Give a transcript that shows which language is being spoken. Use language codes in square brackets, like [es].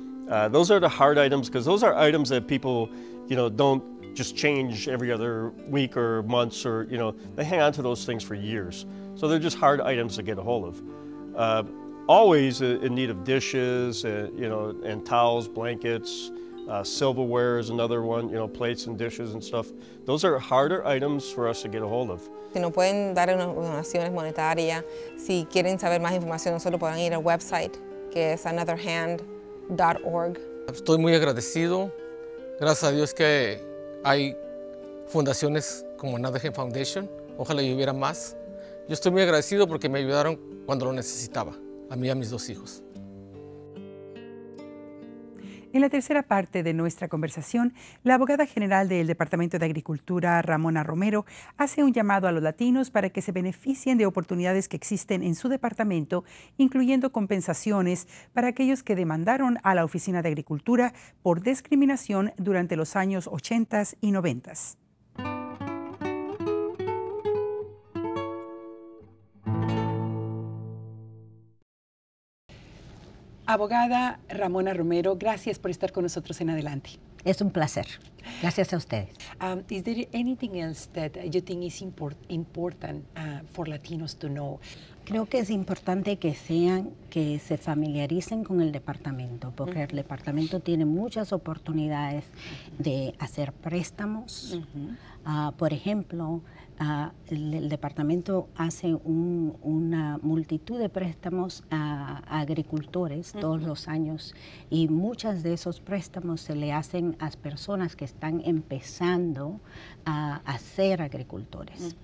[en] Those are the hard items, because those are items that people, you know, don't just change every other week or months, or, you know, they hang on to those things for years. So they're just hard items to get a hold of. Always in need of dishes, you know, and towels, blankets, silverware is another one, you know, plates and dishes and stuff. Those are harder items for us to get a hold of. [es] Si nos pueden dar donaciones monetarias, si quieren saber más información, nosotros pueden ir al website, que es anotherhand.org. Estoy muy agradecido. Gracias a Dios que hay fundaciones como Another Hand Foundation. Ojalá y hubiera más. Yo estoy muy agradecido porque me ayudaron cuando lo necesitaba, a mí y a mis dos hijos. En la tercera parte de nuestra conversación, la abogada general del Departamento de Agricultura, Ramona Romero, hace un llamado a los latinos para que se beneficien de oportunidades que existen en su departamento, incluyendo compensaciones para aquellos que demandaron a la Oficina de Agricultura por discriminación durante los años 80 y 90. Abogada Ramona Romero, gracias por estar con nosotros en Adelante. Es un placer. Gracias a ustedes. [en] Is there anything else that you think is important for Latinos to know? Creo que es importante que sean, que se familiaricen con el departamento, porque el departamento tiene muchas oportunidades de hacer préstamos. Por ejemplo, el departamento hace una multitud de préstamos a agricultores todos los años, y muchos de esos préstamos se le hacen a personas que están empezando a ser agricultores.